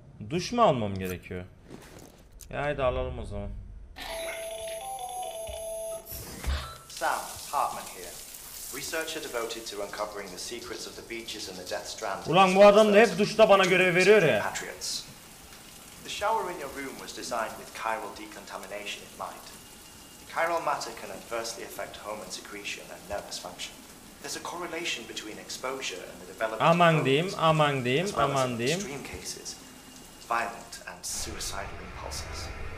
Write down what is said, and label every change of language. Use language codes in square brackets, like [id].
[tr] Duş mu almam gerekiyor? Ya haydi alalım o zaman. [en] Sam, Hartman here. Researcher devoted to uncovering the secrets of the beaches and the Death Stranding. [tr] Ulan bu adam da hep duşta bana görev veriyor ya. [en] The shower in your room was designed with chiral decontamination in mind. Chiral matter can adversely affect hormone secretion and nervous function. There's a correlation between exposure and the development. [tr] Aman diyeyim, aman diyeyim, aman diyeyim. [en] Violent and suicidal impulses.